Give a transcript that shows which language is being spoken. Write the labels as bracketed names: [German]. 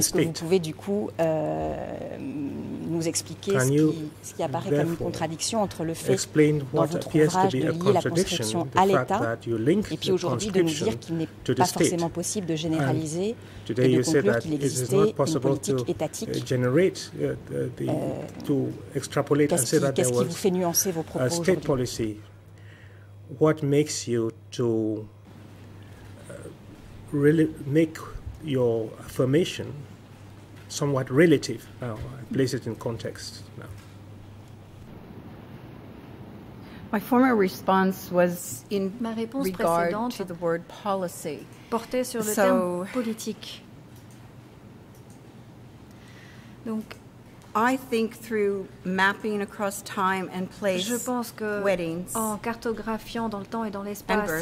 [French] state. Est-ce que vous pouvez du coup nous expliquer ce qui apparaît comme une contradiction entre le fait dans votre ouvrage de lier la conscription à l'État et puis aujourd'hui de nous dire qu'il n'est pas forcément possible de généraliser et de conclure qu'il existait une politique étatique. Qu'est-ce qui vous fait nuancer vos propos aujourd'hui? [English] What makes you to really make your affirmation somewhat relative? Now, I place it in context now. My former response was in regard to the word policy. [French] Portait sur le terme politique. [English] Donc, I think through mapping across time and place, [French] je pense que [English] weddings, [French] en cartographiant dans le temps et dans l'espace